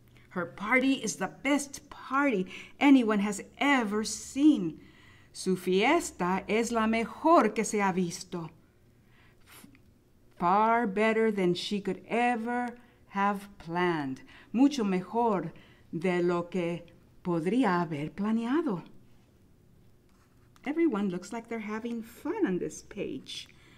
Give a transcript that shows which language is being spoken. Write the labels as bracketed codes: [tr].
[en] Her party is the best party anyone has ever seen. [es] Su fiesta es la mejor que se ha visto. [en] Far better than she could ever have planned. [es] Mucho mejor de lo que podría haber planeado. [en] Everyone looks like they're having fun on this page.